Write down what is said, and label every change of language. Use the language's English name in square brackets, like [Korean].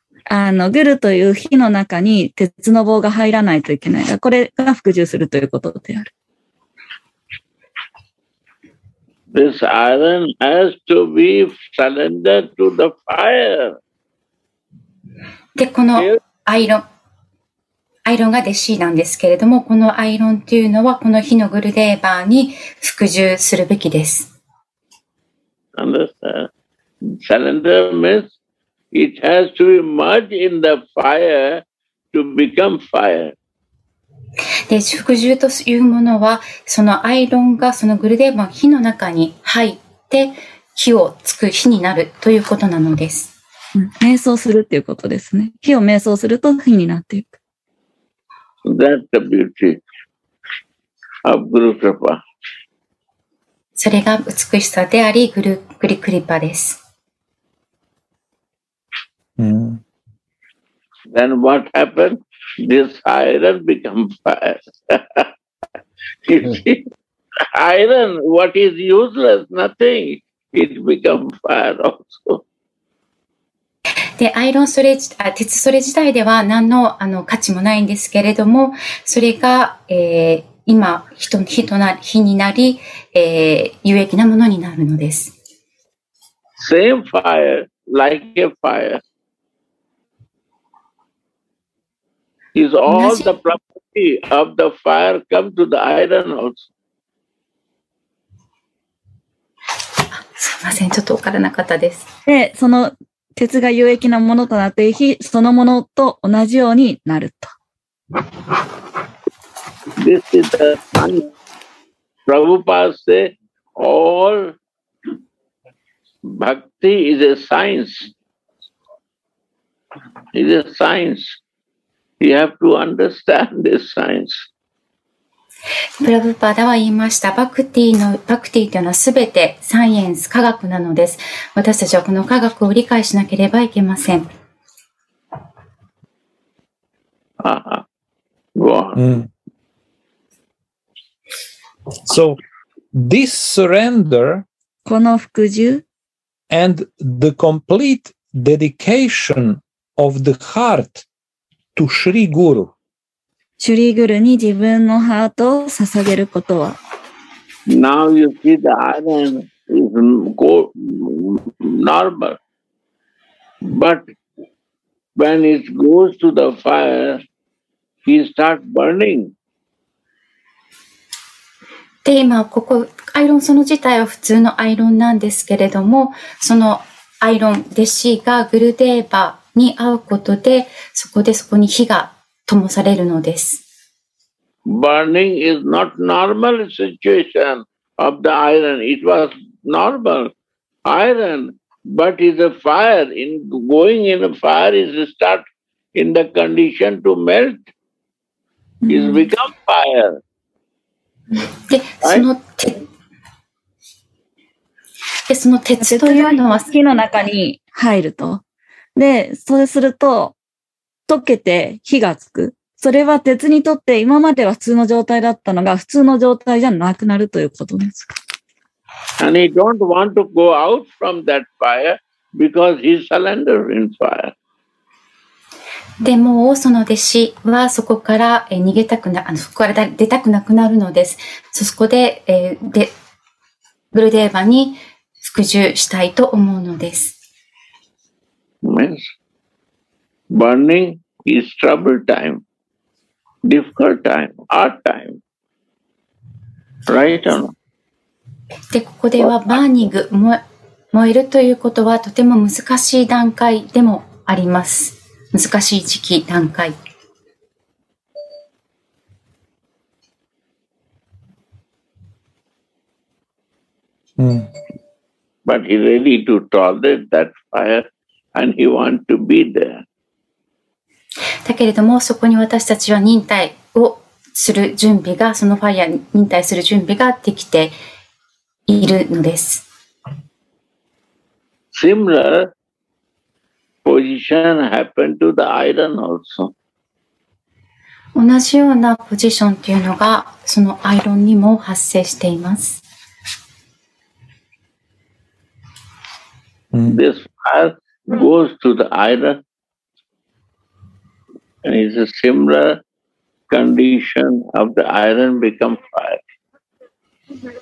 [Japanese] あの、グルという火の中に鉄の棒が入らないといけない。これが服従するということである。 [English] This iron has to be surrendered to the fire. [Japanese] で、このアイロン。アイロンが弟子なんですけれども、このアイロンというのはこの火のグルデーヴァに服従するべきです。 [English] Understand? Surrender means It has to be merged in the fire to become fire. [Japanese] で、服従というものは、そのアイロンがそのグルデーヴァの火の中に入って、火をつく火になるということなのです。瞑想するということですね。火を瞑想すると火になっていく。 [English] That's the beauty of Guru Kripa. [Japanese] それが美しさであり、グリクリパです。 Mm. [English] Then what happened? This iron become fire. You see, iron, what is useless? Nothing. It become fire also. [Japanese] で、アイロンソレ、鉄ソレ自体では何の、価値もないんですけれども、それが、今、火になり、有益なものになるのです。 [English] Same fire, like a fire. Is all the property of the fire come to the iron also? [Japanese] すみません、ちょっと分からなかったです。で、その鉄が有益なものとなっている火そのものと同じようになると。 [English] This is the sun. Prabhupada said, all bhakti is a science. It's a science. You have to understand this science. [Japanese] プラブパダは言いました。バクティというのはすべてサイエンス、科学なのです。私たちはこの科学を理解しなければいけません。 [English] So this surrender [Japanese] この服従 [English] and the complete dedication of the heart to Shri Guru [Japanese] シュリーグルに自分のハートを捧げることは。 [English] Now you see the iron is normal. But when it goes to the fire, he starts burning. [Japanese] で、今ここ、アイロンその自体は普通のアイロンなんですけれども、そのアイロン、弟子がグルデーバに会うことで、そこに火が灯されるのです。 [English] Burning is not normal situation of the iron. It was normal iron, but is a fire. In going in a fire is start in the condition to melt. Is become fire. [Japanese] で、その鉄、で、その鉄というのは火の中に入ると。で、そうすると溶けて火がつく。それは鉄にとって今までは普通の状態だったのが普通の状態じゃなくなるということですか。 [English] And he don't want to go out from that fire because he surrendered in fire. [Japanese] でもその弟子はそこから逃げたくな、そこから出たくなくなるのです。そこで、でグルデーバに服従したいと思うのです。 [English] Yes. Burning is trouble time. Difficult time, hard time. Right or not? [Japanese] で、ここではバーニング、燃えるということはとても難しい段階でもあります。難しい時期、段階。 [English] But he ready to tolerate that fire and he want to be there. [Japanese] だけれどもそこに私たちは忍耐をする準備がそのファイアに忍耐する準備ができているのです。 [English] Similar position happened to the iron also. [Japanese] 同じようなポジションというのがそのアイロンにも発生しています。 [English] This fire goes to the ironAnd it's a similar condition of the iron become fire.